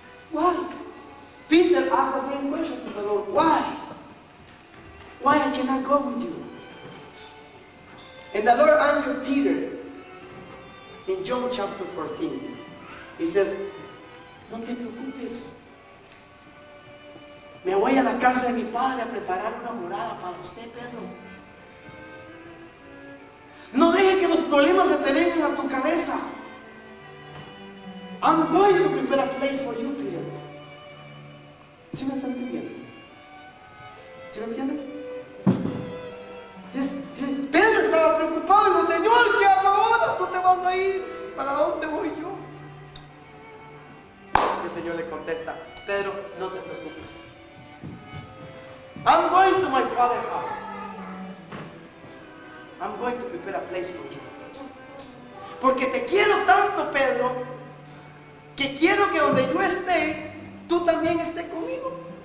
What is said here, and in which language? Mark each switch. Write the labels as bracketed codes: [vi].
[en] Why? Peter asked the same question to the Lord. Why? Why I cannot go with you? And the Lord answered Peter in John chapter 14. He says, [es] no te preocupes. Me voy a la casa de mi padre a preparar una morada para usted, Pedro. No deje que los problemas se te vengan a tu cabeza. [en] I'm going to prepare a place for you, Peter. [es] ¿Sí me están entendiendo? ¿Sí me entienden? Pedro estaba preocupado. Señor, ¿qué hago ahora? ¿Tú te vas a ir? ¿Para dónde voy yo? Y el Señor le contesta, Pedro, no te preocupes. [en] I'm going to my father's house. I'm going to prepare a place for you. [es] Porque te quiero tanto, Pedro, que quiero que donde yo esté, tú también estés conmigo.